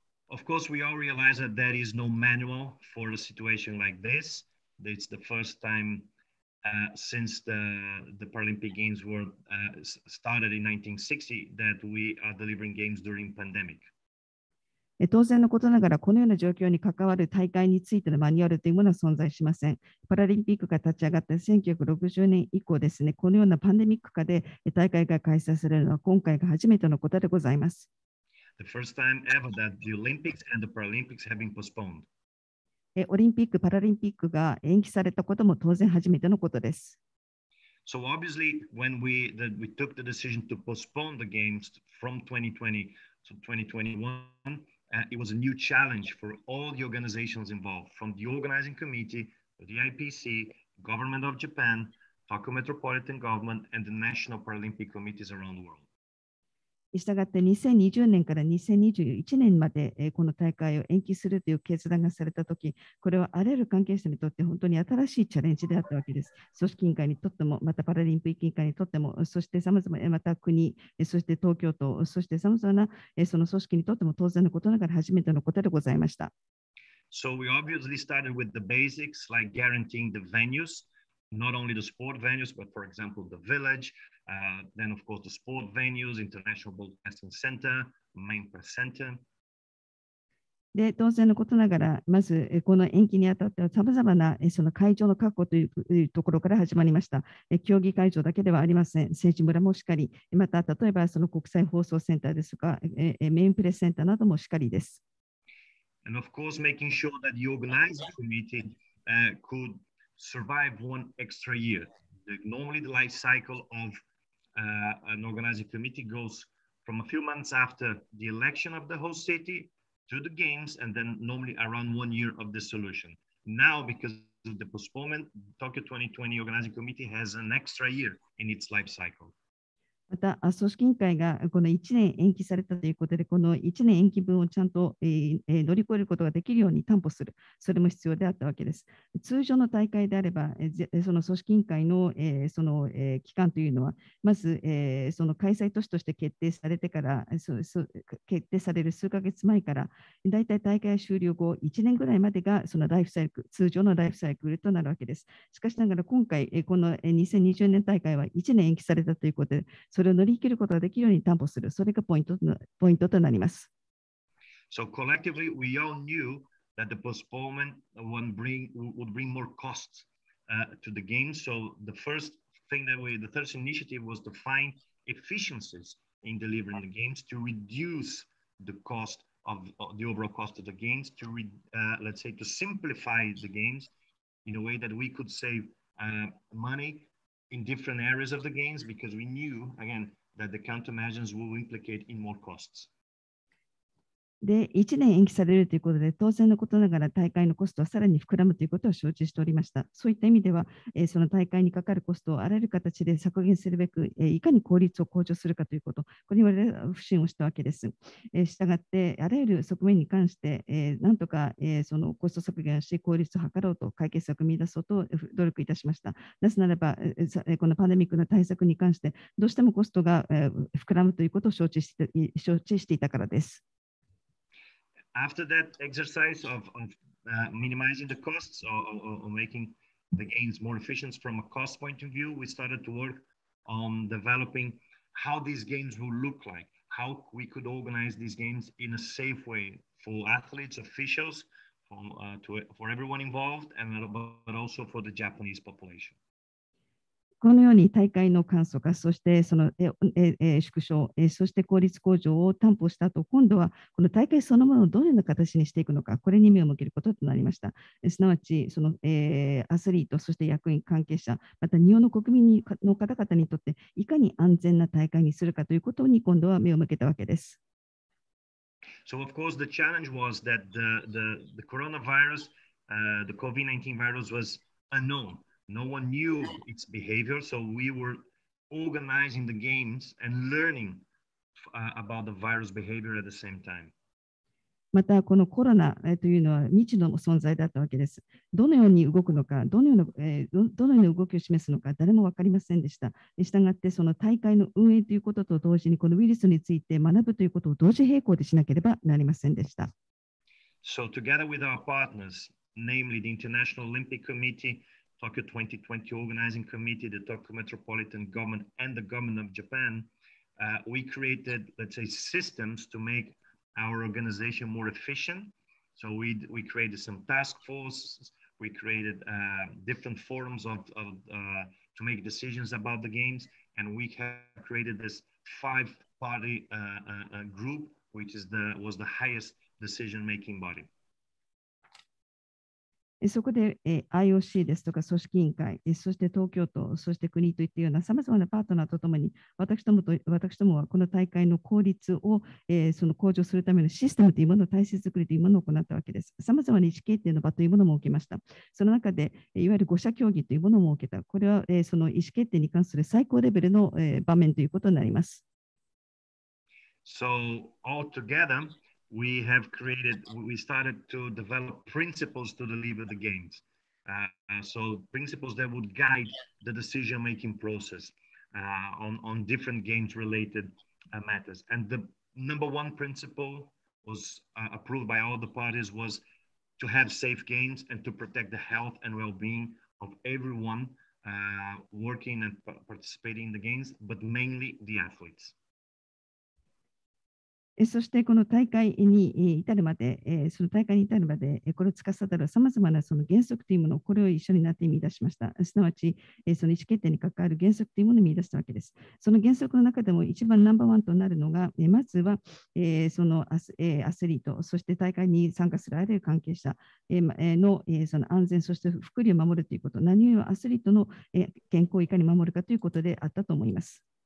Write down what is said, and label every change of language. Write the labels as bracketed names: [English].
[English] Of course, we all realize that there is no manual for a situation like this. It's the first time since the Paralympic Games were started in 1960 that we are delivering games during pandemic. [Japanese] 当然のことながらこのような状況に関わる大会についてのマニュアルというものは存在しません。パラリンピックが立ち上がった1960年以降ですね、このようなパンデミック下で大会が開催されるのは今回が初めてのことでございます。 [English] The first time ever that the Olympics and the Paralympics have been postponed. [Japanese] オリンピック・パラリンピックが延期されたことも当然初めてのことです。 [English] So obviously when we took the decision to postpone the games from 2020 to 2021,it was a new challenge for all the organizations involved, from the organizing committee, the IPC, government of Japan, Tokyo Metropolitan Government, and the national Paralympic committees around the world. [Japanese] したがって2020年から2021年までこの大会を延期するという決断がされたとき、これはあらゆる関係者にとって本当に新しいチャレンジであったわけです。組織委員会にとっても、またパラリンピック委員会にとっても、そしてさまざま、また国、そして東京都、そしてさまざまなその組織にとっても当然のことながら初めてのことでございました。 [English] So we obviously started with the basics like guaranteeing the venues, not only the sport venues, but for example the village. Then of course the sport venues, international broadcasting center, main press center. [Japanese] で当然のことながらまずこの延期にあたってはさまざまなその会場の確保というところから始まりました。競技会場だけではありません。選手村もしかり、また例えばその国際放送センターですとかメインプレスセンターなどもしかりです。 [English] And of course making sure that the organizing committee, could survive one extra year. Normally the life cycle ofan organizing committee goes from a few months after the election of the host city to the games and then normally around one year of dissolution. Now, because of the postponement, Tokyo 2020 organizing committee has an extra year in its life cycle. [Japanese] また組織委員会がこの1年延期されたということで、この1年延期分をちゃんと乗り越えることができるように担保する、それも必要であったわけです。通常の大会であれば、その組織委員会のその期間というのは、まずその開催都市として決定されてから、決定される数ヶ月前から、だいたい大会終了後、1年ぐらいまでがそのライフサイクル、通常のライフサイクルとなるわけです。しかしながら今回、この2020年大会は1年延期されたということで、それを乗り切ることができるように担保する、それがポイントとなります。 [English] So collectively, we all knew that the postponement would bring more costs, to the game. So the first initiative was to find efficiencies in delivering the games to reduce the cost of the overall cost of the games, to simplify the games in a way that we could save, money. In different areas of the games, because we knew again that the countermeasures will implicate in more costs. [Japanese] で、1年延期されるということで、当然のことながら大会のコストはさらに膨らむということを承知しておりました。そういった意味では、その大会にかかるコストをあらゆる形で削減するべく、いかに効率を向上するかということ、これに我々は不信をしたわけです。したがって、あらゆる側面に関して、なんとか、そのコスト削減をし、効率を図ろうと、解決策を見出そうと努力いたしました。なぜならば、このパンデミックの対策に関して、どうしてもコストが、膨らむということを承知していたからです。 [English] After that exercise of minimizing the costs or making the games more efficient from a cost point of view, we started to work on developing how these games will look like, how we could organize these games in a safe way for athletes, officials, for everyone involved, and but also for the Japanese population. [Japanese] このように大会の簡素化、そしてその縮小、そして効率向上を担保した後、今度はこの大会そのものをどのような形にしていくのか、これに目を向けることとなりました。すなわち、その、アスリート、そして役員関係者、また日本の国民にの方々にとって、いかに安全な大会にするかということに今度は目を向けたわけです。 [English] So of course the challenge was that the coronavirus, the COVID-19 virus was unknown. No one knew its behavior, so we were organizing the games and learning about the virus behavior at the same time. [Japanese] またこのコロナというのは未知の存在だったわけです。どのように動くのか、どのような動きを示すのか、誰も分かりませんでした。したがってその大会の運営ということと同時にこのウイルスについて学ぶということを同時並行でしなければなりませんでした。 [English] So together with our partners, namely the International Olympic Committee,Tokyo 2020 Organizing Committee, the Tokyo Metropolitan Government, and the Government of Japan, we created, let's say, systems to make our organization more efficient. So we created some task forces, we created different forums of to make decisions about the games, and we have created this five-party group, which is was the highest decision-making body. [Japanese] そこで IOC ですとか組織委員会、そして東京都、そして国といったようなさまざまなパートナーとともに、私どもはこの大会の効率をその向上するためのシステムというものを体制作りというものを行ったわけです。さまざまな意思決定の場というものも設けました。その中で、いわゆる五者協議というものも設けた。これはその意思決定に関する最高レベルの場面ということになります。 [English] So, all together,We have created, we started to develop principles to deliver the games. So principles that would guide the decision-making process on different games-related matters. And the number one principle was approved by all the parties was to have safe games and to protect the health and well-being of everyone working and participating in the games, but mainly the athletes. [Japanese] そしてこの大会に至るまで、その大会に至るまで、これを司るさまざまなその原則というものを、これを一緒になって見出しました。すなわち、その意思決定に関わる原則というものを見出したわけです。その原則の中でも一番ナンバーワンとなるのが、まずは、そのアスリート、そして大会に参加するあるいは関係者の、その安全、そして福利を守るということ、何よりもアスリートの健康をいかに守るかということであったと思います。